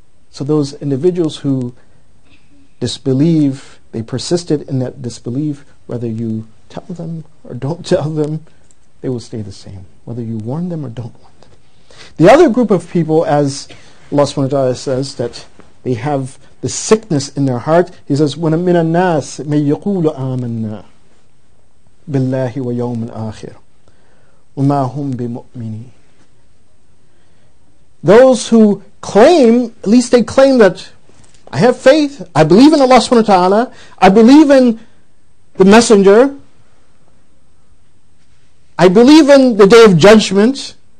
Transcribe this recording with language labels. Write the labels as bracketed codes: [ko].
[en] So those individuals who disbelieve, they persisted in that disbelief, whether you tell them or don't tell them, they will stay the same. Whether you warn them or don't warn them. The other group of people, as Allah subhanahu wa ta'ala says, that they have the sickness in their heart. He says, "When [ar] من الناس من يقول آمنا بالله ويوم الآخر وما هم بمؤمنين." [en] Those who claim, at least they claim that I have faith, I believe in Allah subhanahu wa ta'ala, I believe in the Messenger, I believe in the Day of Judgment.